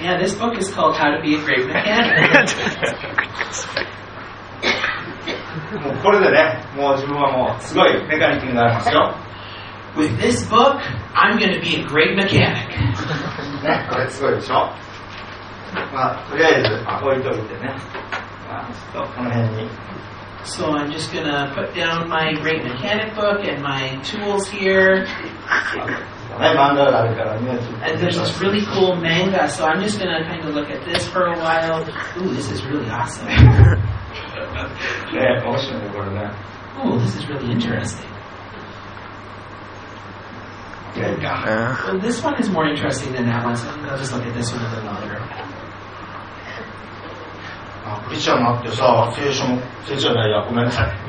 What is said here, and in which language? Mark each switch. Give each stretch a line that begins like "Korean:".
English: Yeah, this book is called How to be a Great Mechanic.
Japanese: もうこれでね、もう自分はもうすごいメカニックになりますよ。
English: With this book, I'm going to be a great mechanic.
Japanese: ね、これすごいでしょ。まあ、とりあえず置いといてね。まあ、ちょっとこの辺に。
English: So I'm just going to put down my great mechanic book and my tools here. And there's this really cool manga, so I'm just going to kind of look at this for a while. Ooh, this is really awesome.
Japanese: ね、面白いねこれね。
English: Oh, this is really interesting. Well, this one is more interesting than that one, so I'll just look at this one a little longer.
Japanese: あ、クリスチャンになってさ、聖書じゃないや、ごめんなさい。